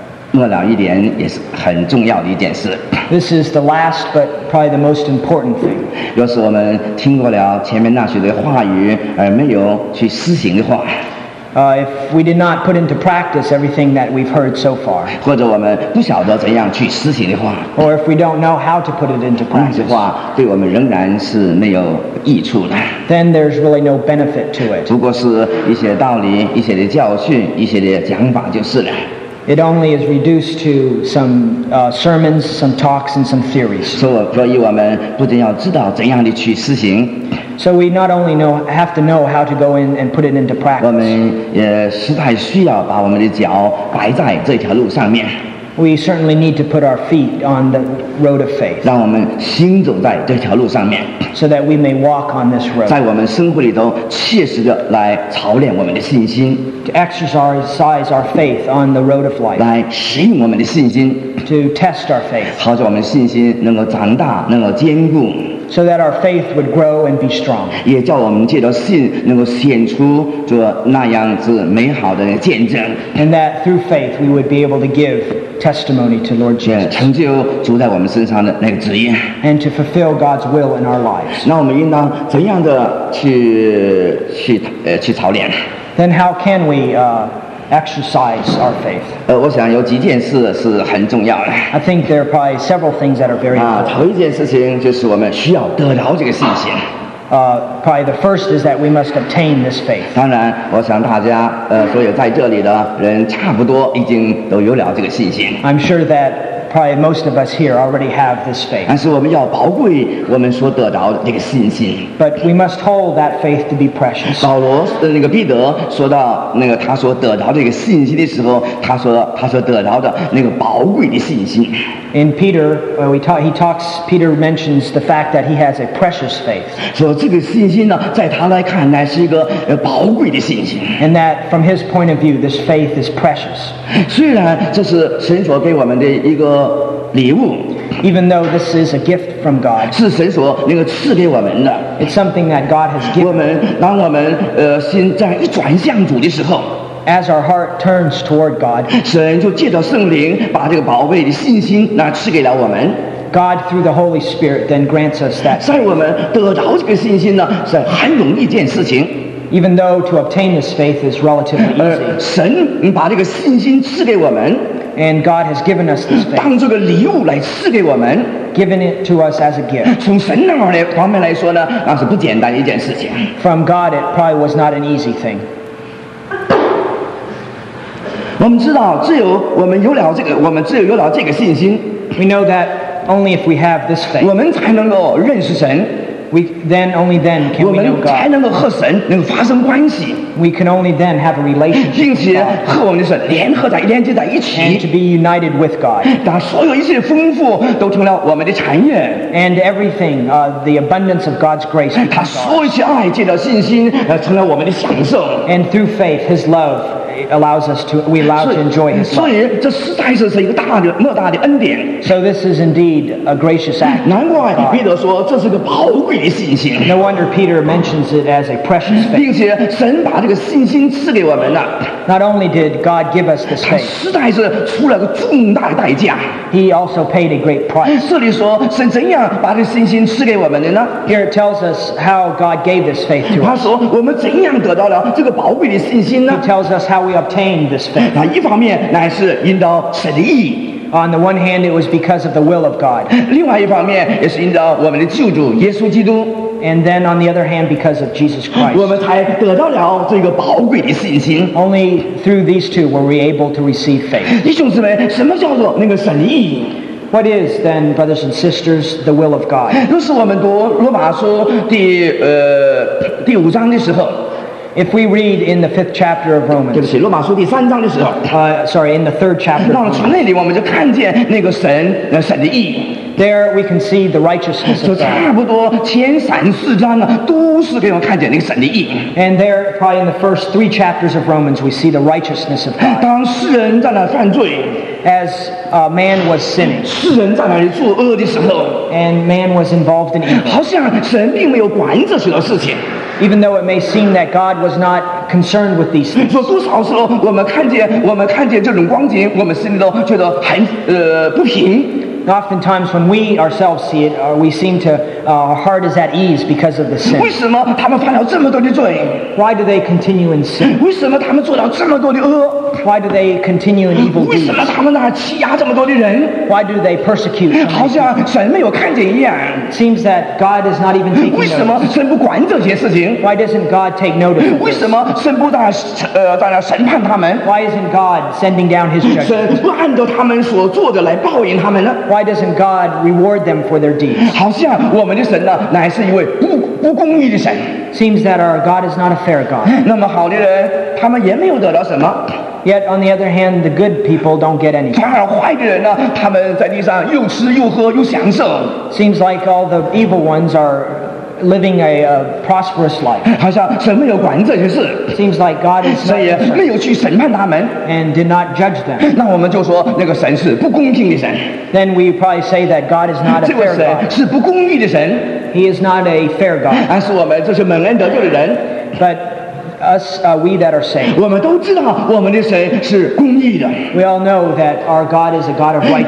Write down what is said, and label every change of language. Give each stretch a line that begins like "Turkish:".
Chinese: 末了一点也是很重要的一件事。
English: This is the last, but probably the most important thing.
Chinese: 若是我们听过了前面那些的话语而没有去施行的话。
English: If we did not put into practice everything that we've heard so far,
Chinese: 或者我们不晓得怎样去施行的话，
English: or if we don't know how to put it into practice,
Chinese: 那些话对我们仍然是没有益处的。
English: Then there's really no benefit to it.
Chinese: 不过是一些道理、一些的教训、一些的讲法就是了。
English: It only is reduced to some sermons, some talks, and some theories.
Chinese: 所以我们不仅要知道怎样的去施行。
English: So we not only know, have to know how to go in and put it into practice.
Chinese: 我们也实在需要把我们的脚摆在这条路上面。
English: We certainly need to put our feet on the road of faith.
Chinese: 让我们行走在这条路上面。
English: So that we may walk on this road.
Chinese: 在我们生活里头切实地来操练我们的信心。
English: To exercise our faith on the road of life.
Chinese: 来使用我们的信心。
English: To test our faith.
Chinese: 好叫我们信心能够长大，能够坚固。
English: So that our faith would grow and be strong.
Chinese: 也叫我们借着信能够显出这那样子美好的见证。
English: And that through faith we would be able to give testimony to Lord Jesus.
Chinese: 成就主在我们身上的那个旨意。
English: And to fulfill God's will in our lives.
Chinese: 那我们应当怎样的去操练？
English: Then how can we exercise our faith?
Chinese: 我想有几件事是很重要的。
English: I think there are probably several things that are very important.
Chinese: 头一件事情就是我们需要得着这个信心。
English: Probably the first is that we must obtain this faith.
Chinese: 当然，我想大家所有在这里的人差不多已经都有了这个信心。
English: I'm sure that probably most of us here already have this faith.
Chinese: 但是我们要宝贵我们所得着的这个信心。
English: But we must hold that faith to be precious.
Chinese: 保罗那个彼得说到那个他所得着这个信心的时候，他说得着的那个宝贵的信心。
English: In Peter, when we talk, he talks. Peter mentions the fact that he has a precious faith.
Chinese: So, 这个信心呢，在他来看呢，是一个宝贵的信心。
English: And that, from his point of view, this faith is precious.
Chinese: 虽然这是神所给我们的一个礼物。
English: Even though this is a gift from God,
Chinese: 是神所那个赐给我们的。
English: It's something that God has given.
Chinese: 我们当我们心在一转向主的时候。
English: As our heart turns toward God,
Chinese: 神就借着圣灵把这个宝贵的信心那赐给了我们。
English: God through the Holy Spirit then grants us that.
Chinese: 在我们得着这个信心呢，是很容易一件事情。
English: Even though to obtain this faith is relatively easy,
Chinese: 神把这个信心赐给我们。
English: And God has given us this faith.
Chinese: 当这个礼物来赐给我们。
English: Given it to us as a gift.
Chinese: 从神那儿的方面来说呢，那是不简单一件事情。
English: From God, it probably was not an easy thing.
Chinese: 我们知道，只有我们有了这个，我们只有有了这个信心。
English: We know that only if we have this faith.
Chinese: 我们才能够认识神。
English: We then only then can we know God.
Chinese: 我们才能够和神能发生关系。
English: We can only then have a relationship.
Chinese: 并且和我们的神联合在连接在一起。
English: And to be united with God.
Chinese: 当所有一切丰富都成了我们的产业。
English: And everything, the abundance of God's grace.
Chinese: 他所有一切爱借着信心成了我们的享受。
English: And through faith, His love. Allows us to we allow to enjoy His love.
Chinese: 所以这实在是一个大的莫大的恩典。
English: So this is indeed a gracious act.
Chinese: 难怪彼得说这是个宝贵的信心。
English: No wonder Peter mentions it as a precious faith.
Chinese: 并且神把这个信心赐给我们了。
English: Not only did God give us this faith.
Chinese: 实在是出了个重大的代价。
English: He also paid a great price.
Chinese: 这里说神怎样把这个信心赐给我们的呢？
English: Here it tells us how God gave this faith to us.
Chinese: 他说我们怎样得到了这个宝贵的信心呢？
English: He tells us how we obtained this faith.
Chinese: 那一方面乃是因着神的意。
English: On the one hand, it was because of the will of God.
Chinese: 另外一方面也是因着我们的救主耶稣基督。
English: And then, on the other hand, because of Jesus Christ,
Chinese: 我们才得到了这个宝贵的信心。
English: Only through these two were we able to receive faith.
Chinese: 弟兄姊妹，什么叫做那个神的意？
English: What is then, brothers and sisters, the will of God?
Chinese: 若是我们读罗马书第五章的时候。
English: If we read in the fifth chapter of Romans,
Chinese: 对不起，罗马书第三章的时候。
English: Sorry, in the third chapter.
Chinese: 到了从那里我们就看见那个神，那神的义。
English: There we can see the righteousness of God.
Chinese: 就差不多前三四章呢，都是给我们看见那个神的义。
English: And there, probably in the first three chapters of Romans, we see the righteousness of God.
Chinese: 当世人在那犯罪。
English: As a man was sinning,
Chinese: 世人在那里作恶的时候。
English: And man was involved in evil.
Chinese: 好像神并没有管这许多事情。
English: Even though it may seem that God was not concerned with these things.
Chinese: 有多少时候我们看见这种光景，我们心里都觉得很不平。
English: Oftentimes, when we ourselves see it, we seem to, our heart is at ease because of the sin.
Chinese: 为什么他们犯了这么多的罪？
English: Why do they continue in sin?
Chinese: 为什么他们做了这么多的恶？
English: Why do they continue in evil deeds?
Chinese: 为什么他们那欺压这么多的人？
English: Why do they persecute?
Chinese: 好像神没有看见一样。
English: Seems that God is not even taking notice.
Chinese: 为什么神不管这些事情？
English: Why doesn't God take notice?
Chinese: 为什么神不在那审判他们？
English: Why isn't God sending down His judgment?
Chinese: 神不按照他们所做的来报应他们呢？
English: Why doesn't God reward them for their deeds?
Chinese: 好像我们的神呢，乃是一位不公义的神。
English: Seems that our God is not a fair God.
Chinese: 那么好的人，他们也没有得到什么。
English: Yet on the other hand, the good people don't get anything.
Chinese: 反而坏的人呢，他们在地上又吃又喝又享受。
English: Seems like all the evil ones are living a prosperous life.
Chinese: 好像神没有管这些事。
English: Seems like God is.
Chinese: 所以没有去审判他们。
English: And did not judge them.
Chinese: 那我们就说那个神是不公平的神。
English: Then we probably say that God is not a fair God.
Chinese: 这个神是不公义的神。
English: He is not a fair God.
Chinese: 而是我们这些蒙恩得救的人。
English: But us, we that are saved.
Chinese: 我们都知道我们的神是公义的。
English: We all know that our God is a God of righteousness.